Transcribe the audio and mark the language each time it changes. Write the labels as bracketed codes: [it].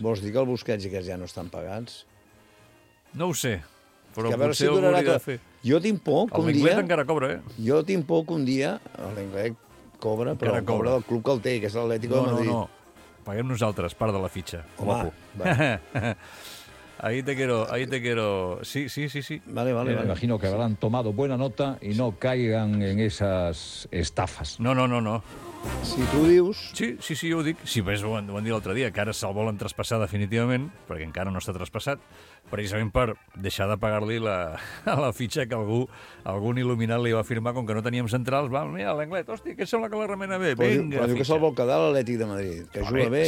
[ca] Vols dir que el Busquets i que ja no estan pagats? No ho sé, però potser si algú hauria de fer. Jo tinc por que un dia... El Lenglet encara cobra, eh? Jo tinc por que un dia el Lenglet cobra, però encara cobra del club que el té, que és l'Atlético de Madrid. No, paguem nosaltres, part de la fitxa. Home, va. [es] Ahí te quiero. Sí. Vale. Imagino que habrán tomado buena nota y no caigan en esas estafas. No. [ca] Si tu dius... Sí, jo ho dic. Sí, però ho van dir l'altre dia, que ara se'l volen traspassar definitivament, perquè encara no està traspassat, precisament per deixar de pagar-li la fitxa que algun il·luminat li va firmar, com que no teníem centrals. Va, mira, l'Anglet, hòstia, que sembla que la remena bé. Vinga, però diu que se'l vol quedar l'Atlètic de Madrid, que juga bé.